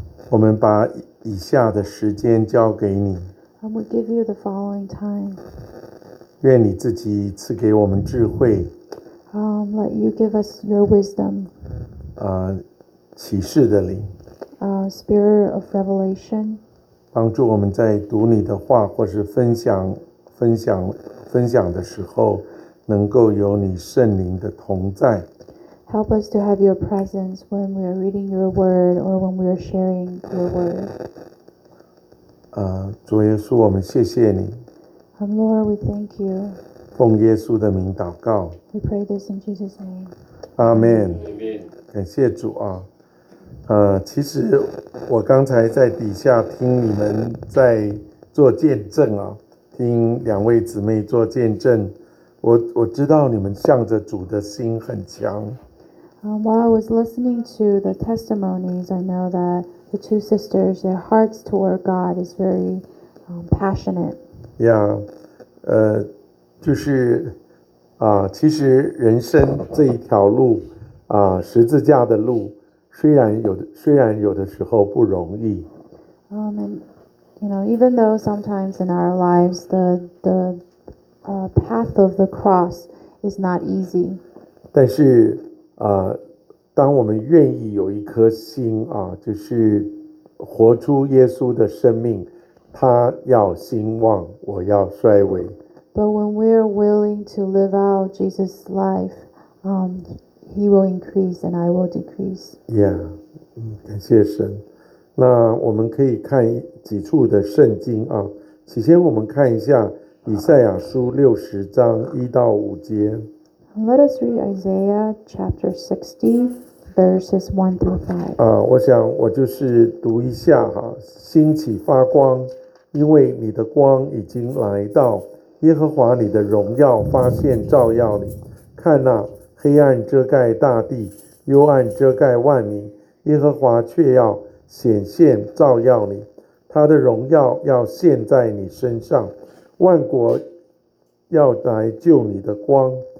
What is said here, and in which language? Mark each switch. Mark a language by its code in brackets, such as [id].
[zh] 我们把以下的时间交给你 [en] I will give you the following time. [zh] 愿你自己赐给我们智慧 [en] Let you give us your wisdom. [zh] 启示的灵 [en] Spirit of revelation. [zh] 帮助我们在读你的话或是分享的时候能够有你圣灵的同在 [en] Help us to have your presence when we are reading your word or when we are sharing your word. [zh] 主耶稣，我们谢谢你。 [en] And Lord, we thank you. [zh] 奉耶稣的名祷告。 [en] We pray this in Jesus' name. Amen. Amen. [zh] 感谢主啊。其实我刚才在底下听你们在做见证啊，听两位姊妹做见证，我知道你们向着主的心很强。 [en] While I was listening to the testimonies, I know that the two sisters, their hearts toward God is very passionate. Yeah, [zh] 就是啊，其实人生这一条路啊，十字架的路，虽然有的时候不容易。 [en] And you know, even though sometimes in our lives the path of the cross is not easy. [zh] 但是当我们愿意有一颗心啊，就是活出耶稣的生命，他要兴旺，我要衰微。 [en] But when we are willing to live out Jesus' life, He will increase and I will decrease. Yeah, [zh] 感谢神。那我们可以看几处的圣经啊。起先我们看一下以赛亚书六十章一到五节。 [en] Let us read Isaiah chapter 60, verses 1 through 5. [zh] 我想我就是读一下哈，兴起发光，因为你的光已经来到，耶和华你的荣耀发现照耀你。看那、黑暗遮盖大地，幽暗遮盖万民，耶和华却要显现照耀你，他的荣耀要现在你身上，万国要来救你的光。